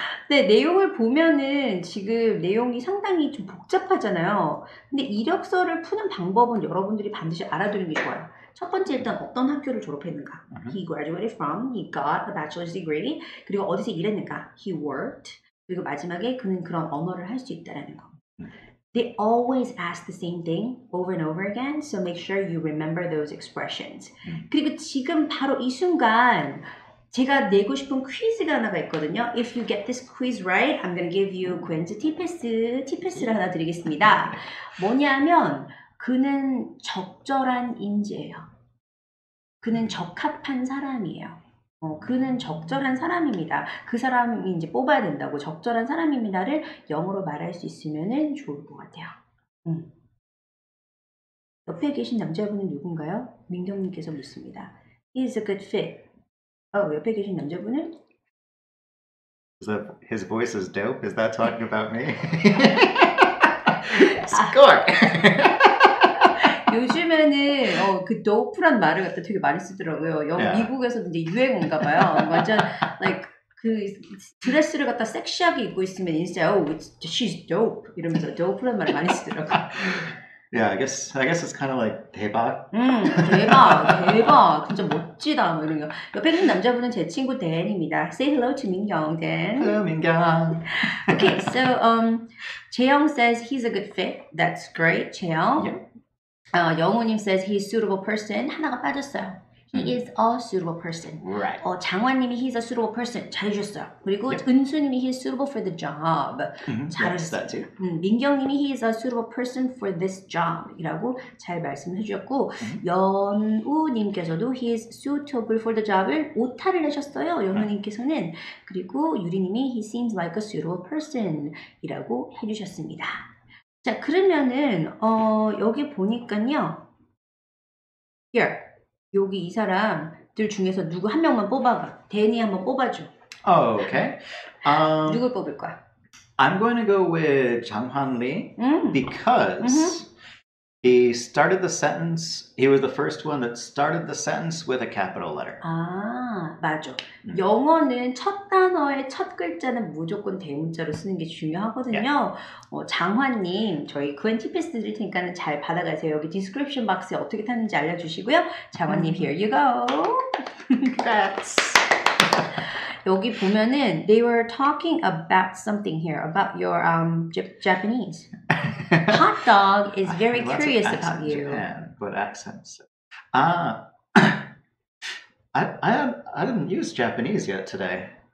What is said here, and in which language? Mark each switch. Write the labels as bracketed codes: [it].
[ko] 네, 내용을 보면은 지금 내용이 상당히 좀 복잡하잖아요. 근데 이력서를 푸는 방법은 여러분들이 반드시 알아두는 게 좋아요. 첫 번째 일단 어떤 학교를 졸업했는가? [en] He graduated from, he got a bachelor's degree. [ko] 그리고 어디서 일했는가? [en] He worked. [ko] 그리고 마지막에 그는 그런 언어를 할 수 있다라는 거. [en] They always ask the same thing over and over again, so make sure you remember those expressions. [ko] 그리고 지금 바로 이 순간 제가 내고 싶은 퀴즈가 하나가 있거든요. [en] If you get this quiz right, I'm going to give you Gwen's T-Pass를 [ko] 하나 드리겠습니다. 뭐냐면 그는 적절한 인재예요. 그는 적합한 사람이에요. 그는 적절한 사람입니다. 그 사람이 이제 뽑아야 된다고 적절한 사람입니다를 영어로 말할 수 있으면은 좋을 것 같아요. 옆에 계신 남자분은 누군가요? 민경님께서 묻습니다. [en] He is a good fit. [ko] 옆에 계신 남자분은? [en] His voice is dope. Is that talking about me? Score. [ko] 요즘에는 그 dope란 말을 갖다 되게 많이 쓰더라고요. 여기 yeah. 미국에서도 이제 유행인가봐요. 완전 like 그 드레스를 갖다 섹시하게 입고 있으면 인스타 [en] she's dope [ko] 이러면서 dope란 말을 많이 쓰더라고. [en] Yeah, I guess it's kind of like 대박. [ko] 대박, 진짜 멋지다 뭐 이런 거. 옆에 있는 남자분은 제 친구 댄입니다. [en] Say hello to 민경, Dan. Hello, 민경. Okay, so 재영 says he's a good fit. That's great, 재영. Yeah. 영우님 says he's suitable person. [ko] 하나가 빠졌어요. [en] He is a suitable person. Right. 장원님이 he's a suitable person. [ko] 잘해줬어. 그리고 [en] yep. 은수님이 he's suitable for the job. Mm-hmm. [ko] 잘해줬어. [en] Yes, 민경님이 he's a suitable person for this job. [ko] 이라고 잘 말씀해주셨고 mm-hmm. 연우님께서도 [en] he's suitable for the job [ko] 을 오타를 내셨어요. 연우님께서는. 그리고 유리님이 [en] he seems like a suitable person. [ko] 이라고 해주셨습니다. 자 그러면은 여기 보니까요. [en] Here. [ko] 여기 이 사람들 중에서 누구 한 명만 뽑아봐. 데니 한번 뽑아줘. [en] Oh, okay. [ko] 누굴 뽑을 거야? [en] I'm going to go with 장환 Lee because mm-hmm. he started the sentence. He was the first one that started the sentence with a capital letter. [ko] 아, 맞아. Mm-hmm. 영어는 첫 단어의 첫 글자는 무조건 대문자로 쓰는 게 중요하거든요. [en] Yeah. [ko] 장환님, 저희 Gwen TPS 드릴 테니까는 잘 받아가세요. 여기 디스크립션 박스에 어떻게 탔는지 알려주시고요. [en] 장환님, mm-hmm. here you go. Congrats. [ko] 여기 보면은 [en] they were talking about something here about your Japanese. Hot dog is very curious about you. What accents? I didn't use Japanese yet today.